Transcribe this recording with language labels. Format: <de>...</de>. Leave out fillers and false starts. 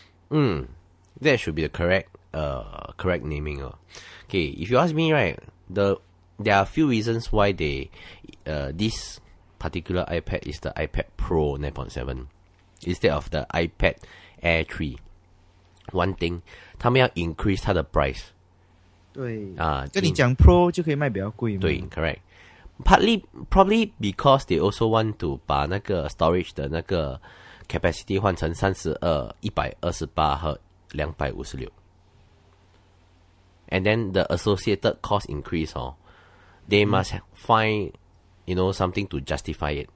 <en>Hmm, that should be the correct naming. Okay, if you ask me, right, there are a few reasons why they this particular iPad is the iPad Pro 9.7 instead of the iPad Air 3. One thing,</en> <zh>他们要 increase 它的 price. 对啊，跟你讲 Pro 就可以卖比较贵嘛。对</zh> <en>，correct。 Partly, probably because they also want to</en> <zh>把那个</zh> <en>storage</en> <zh>的那个</zh> <en>capacity</en> <zh>换成</zh> <en>32, 128和 256, and then the associated cost increase. Oh, they must find, you know, something to justify it.</en>